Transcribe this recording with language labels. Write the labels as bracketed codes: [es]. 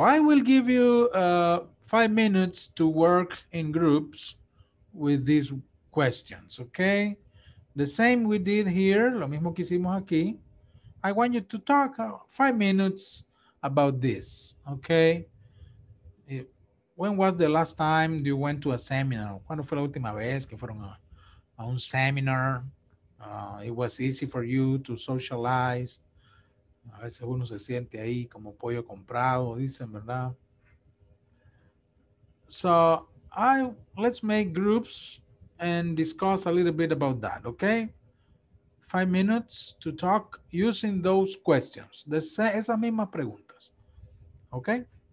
[en] I will give you 5 minutes to work in groups with these questions, okay? The same we did here, [es] lo mismo que hicimos aquí. [en] I want you to talk 5 minutes about this, okay? When was the last time you went to a seminar? [es] ¿Cuándo fue la última vez que fueron a un seminar? [en] It was easy for you to socialize. [es] A veces uno se siente ahí como pollo comprado, dicen, ¿verdad? [en] So, let's make groups and discuss a little bit about that, okay? 5 minutes to talk using those questions. [es] Esas mismas preguntas. Okay?